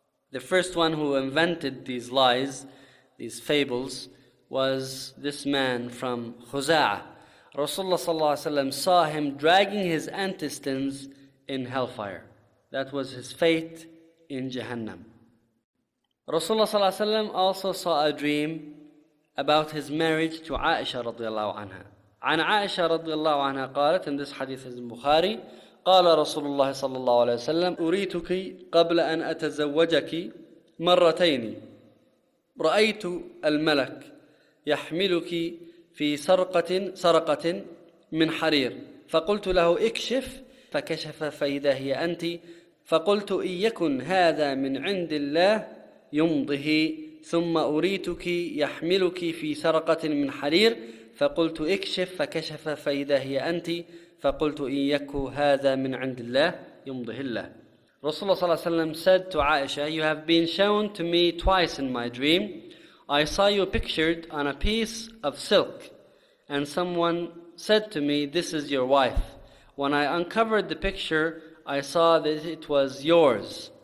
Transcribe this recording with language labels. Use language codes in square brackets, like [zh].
[en] The first one who invented these lies, these fables, was this man from Khuza'a. Rasulullah ﷺ saw him dragging his intestines in hellfire. That was his fate in Jahannam. Rasulullah ﷺ also saw a dream about his marriage to Aisha radiallahu anha. [ar] عن عائشة رضي الله عنها قالت [en] in this hadith is in Bukhari, [ar] قال رسول الله صلى الله عليه وسلم أريتك قبل أن أتزوجك مرتين رأيت الملك يحملك في سرقة من حرير فقلت له اكشف فكشف فإذا هي أنت فقلت إن يكن هذا من عند الله يمضه ثم أريتك يحملك في سرقة من حرير فقلت اكشف فكشف فإذا هي أنت فقلت إن يكو هذا من عند الله يمضه الله. [en] Rasulullah صلى الله عليه وسلم said to Aisha, you have been shown to me twice in my dream. I saw you pictured on a piece of silk, and someone said to me, this is your wife. When I uncovered the picture, I saw that it was yours.